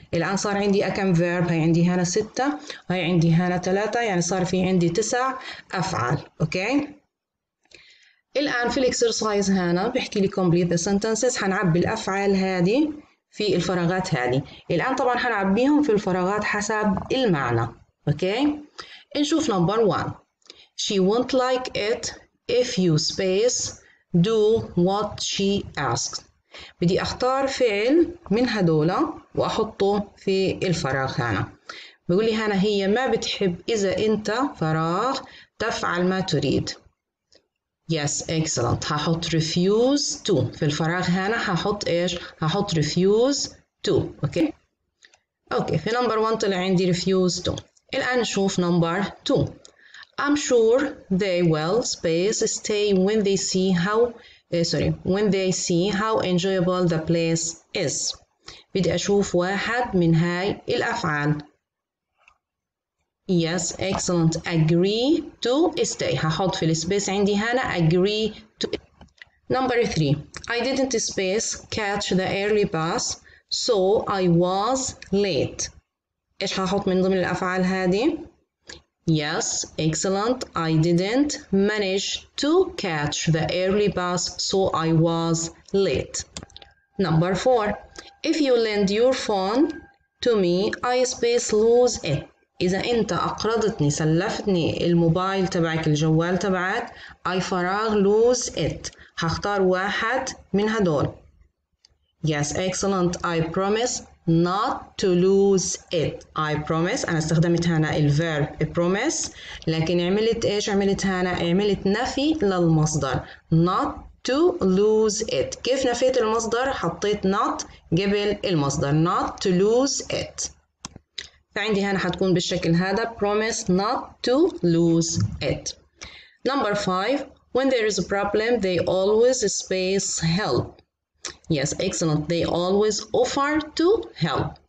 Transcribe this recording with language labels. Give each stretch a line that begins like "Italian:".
Arabic: الآن صار عندي كم verb؟ هي عندي هنا 6 وهي عندي هنا 3، يعني صار في عندي 9 أفعال. أوكي، الآن في الإكسرسايز هنا بحكي لي
English: complete the sentences،
Arabic: هنعبي الأفعال هذه في الفراغات هذه. الآن طبعا هنعبيهم في الفراغات حسب المعنى. أوكي، نشوف number one.
English: She won't like it if you space do what she asks.
Arabic: بدي أختار فعل من هدول وأحطه في الفراغ هنا. بيقول لي هنا هي ما بتحب إذا أنت فراغ تفعل ما تريد.
English: Yes, excellent.
Arabic: هحط refuse to في الفراغ هنا، هحط إيش؟ هحط refuse to. أوكي؟ أوكي، في number one طلع عندي refuse to. الآن نشوف number two.
English: I'm sure they will space stay when they see how when they see how enjoyable the place is.
Arabic: بدي أشوف واحد من هاي الأفعال.
English: Yes, excellent. Agree to stay.
Arabic: هحط في السبيس عندي هنا agree to.
English: Number three. I didn't space catch the early bus, so I was late.
Arabic: إيش هحط من ضمن الأفعال هذه؟
English: Yes, excellent. I didn't manage to catch the early bus, so I was late. Number four. If you lend your phone to me, I space lose it.
Arabic: إذا أنت أقرضتني سلفتني الموبايل تبعك الجوال تبعك، I فراغ lose it. هختار واحد من هدول.
English: Yes, excellent. I promise not to lose it. I promise.
Arabic: أنا استخدمت هنا الverb promise، لكن عملت إيش؟ عملت هنا عملت نفي للمصدر.
English: Not to lose it.
Arabic: كيف نفيت المصدر؟ حطيت not قبل المصدر.
English: Not to lose it.
Arabic: فعندي هنا حتكون بالشكل هذا
English: promise not to lose it. Number five. When there is a problem, they always space help. Yes, excellent. They always offer to help.